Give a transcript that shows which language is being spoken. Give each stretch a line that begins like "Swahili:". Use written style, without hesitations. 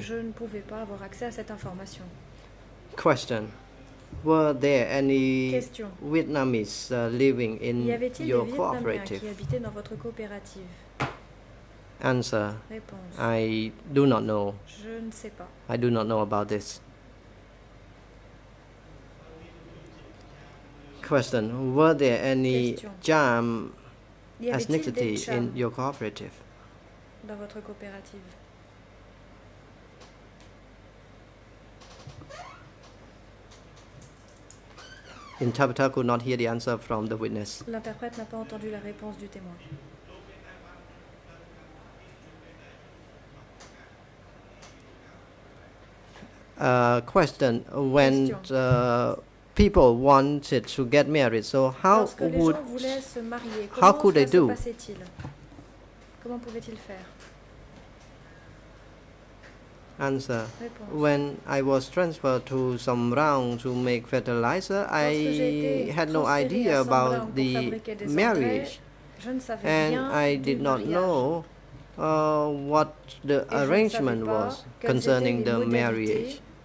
French: Je ne pouvais pas avoir accès à cette information.
English: Question: were there any Vietnamese living in your cooperative?
French: Qui habitaient dans votre coopérative?
English: Answer:
French: réponse:
English: I do not know.
French: Je ne sais pas.
English: I do not know about this. Question: were there any Cham ethnicity in your cooperative?
French: Dans votre coopérative?
English: Interpreter could not hear the answer from the witness.
French: L'interprète n'a pas entendu la réponse du témoin.
English: Question: when people wanted to get married, so how would,
French: se marier,
English: how could they do?
French: Comment pouvaient-ils faire?
English: Answer.
French: Réponse.
English: When I was transferred to Sombrang to make fertilizer, I had no idea about the marriage, and I did not know what the arrangement was concerning the marriage.